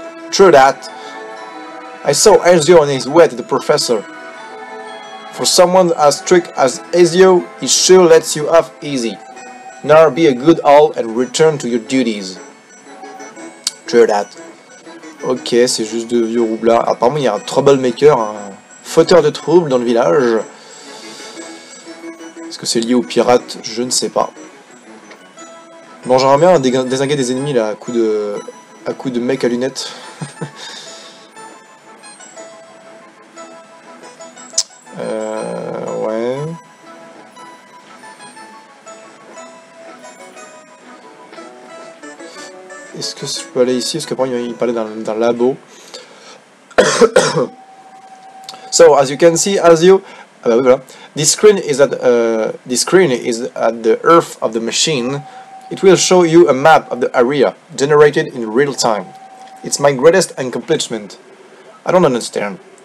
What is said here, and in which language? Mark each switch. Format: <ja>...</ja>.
<en>True that. I saw Ezio and his way to the professor. For someone as strict as Ezio, he sure lets you off easy. Now be a good owl and return to your duties.</en> <fr>True that. Ok, c'est juste de vieux roublards. Apparemment, il y a un troublemaker, un fauteur de troubles dans le village. Est-ce que c'est lié aux pirates? Je ne sais pas. Bon, j'aimerais bien désinguer des ennemis là, à coup de mec à lunettes. ouais. Est-ce que je peux aller ici? Est-ce que après il parlait d'un labo?</fr> <en>So as you can see, as you, ah bah oui, voilà. This screen is at the earth of the machine. It will show you a map of the area, generated in real time. It's my greatest accomplishment. I don't understand.</en>